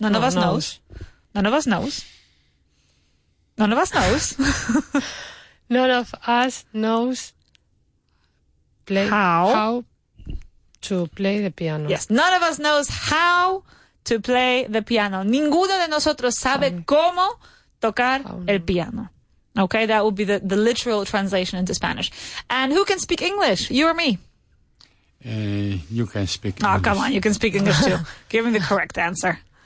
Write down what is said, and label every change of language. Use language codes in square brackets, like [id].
[en] None of us knows. None of us knows. None of us knows. None of us knows... Play How to play the piano. Yes, none of us knows how to play the piano. [es] Ninguno de nosotros sabe cómo tocar el piano. [en] Okay, that would be the literal translation into Spanish. And who can speak English? You or me? You can speak English. Oh, come on, you can speak English too. Give me the correct answer.